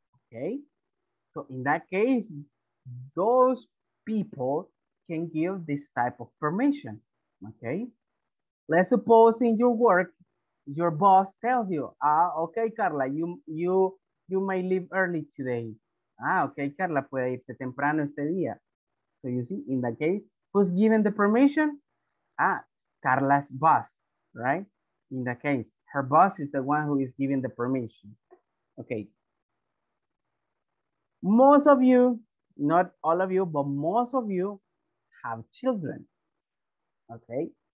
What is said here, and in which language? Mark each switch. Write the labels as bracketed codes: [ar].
[en] Okay, so in that case, those people can give this type of permission. Okay, let's suppose in your work, your boss tells you, ah, okay, Carla, you may leave early today. [es] Ah, okay, Carla puede irse temprano este día. [en] So you see, in that case, who's given the permission? Ah, Carla's boss, right? In that case, her boss is the one who is giving the permission. Okay. Most of you, not all of you, but most of you have children. Okay.